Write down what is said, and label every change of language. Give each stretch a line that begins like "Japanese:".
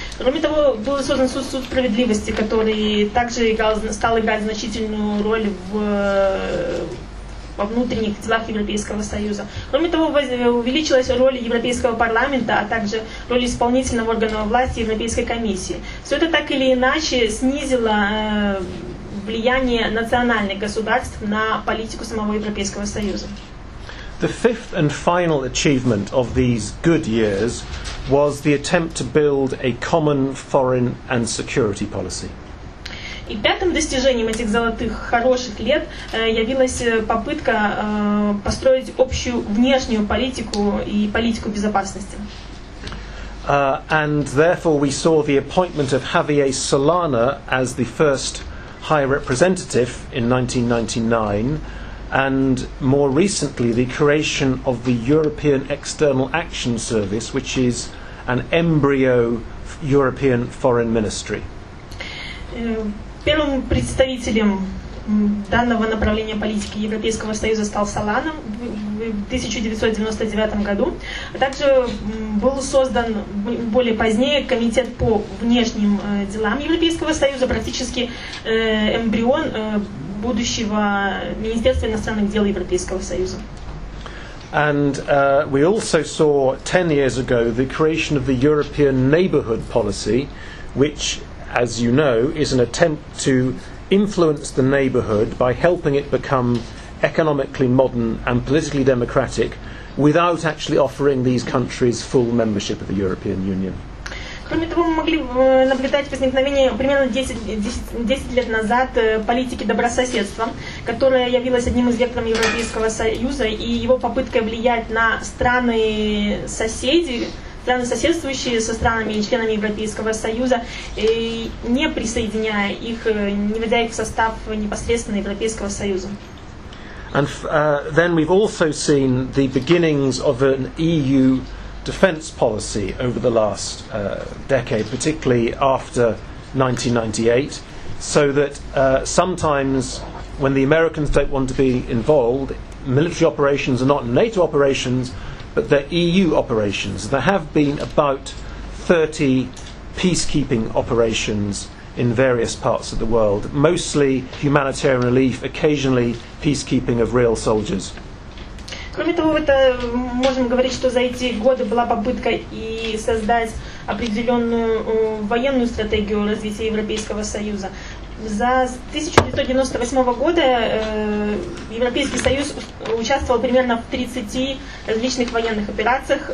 Russian: Кроме того, был создан суд справедливости, который также стал играть значительную роль во внутренних делах Европейского Союза. Кроме того, увеличилась роль Европейского парламента, а также роль исполнительного органа власти Европейской комиссии. Все это так или иначе снизило влияние национальных государств на политику самого Европейского Союза.
English: The fifth and final achievement of these good years was the attempt to build a common foreign and security policy.
Russian: И пятым достижением этих золотых хороших лет явилась попытка построить общую внешнюю политику и политику безопасности.
English: And therefore we saw the appointment of Javier Solana as the first high representative in 1999. And more recently, the creation of the European External Action Service, which is an embryo European Foreign Ministry.
Russian: Первым представителем данного направления политики Европейского Союза стал Солана в 1999 году. Также был создан более позднее комитет по внешним делам Европейского Союза, практически эмбрион будущего Министерства иностранных дел Европейского Союза.
English: And we also saw 10 years ago the creation of the European Neighbourhood Policy, which, as you know, is an attempt to influence the neighborhood by helping it become economically modern and politically democratic without actually offering these countries full membership of the European Union.
Russian: Кроме того, мы могли наблюдать возникновение примерно 10 лет назад политики добрососедства, которая явилась одним из векторов Европейского Союза и его попыткой влиять на страны, соседствующие со странами и членами Европейского Союза, не присоединяя их, не вводя их в состав непосредственно Европейского Союза.
English: And then we've also seen the beginnings of an EU defense policy over the last decade, particularly after 1998, so that sometimes when the Americans don't want to be involved, military operations are not NATO operations, but they're EU operations. There have been about 30 peacekeeping operations in various parts of the world, mostly humanitarian relief, occasionally peacekeeping of real soldiers.
Russian: Кроме того, это можно говорить, что за эти годы была попытка и создать определенную военную стратегию развития Европейского Союза. За 1998 года Европейский Союз участвовал примерно в 30 различных военных операциях.